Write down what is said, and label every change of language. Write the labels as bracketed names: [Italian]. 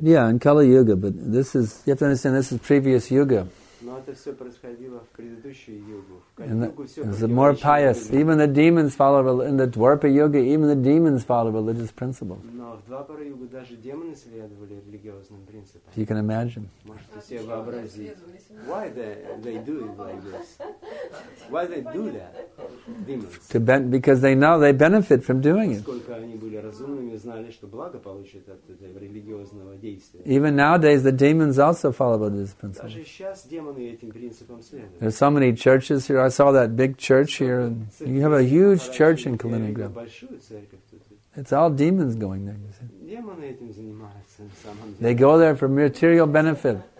[English] Yeah, in Kali Yuga, but this is you have to understand this is previous Yuga. [Russian] Но это все происходило в предыдущую югу. [English] It's more pious. Even the demons follow in the Dwarpa Yuga. Even the demons follow religious principles. [Russian] Но в Двапара Югу даже демоны следовали религиозным принципам. [English] You can imagine. [Russian] Можете себе вообразить. [English] Why they do it like this? Why they do that? Demons. Because they know they benefit from doing it. [Russian] Сколько они были разумными, знали, что благо получат от этого религиозного действия. [English] Even nowadays, the demons also follow religious principles. [Russian] Даже сейчас демоны этим принципам следуют. [English] There's so many churches here. I saw that big church here. And you have a huge church in Kaliningrad. It's all demons going there, you see. They go there for material benefit.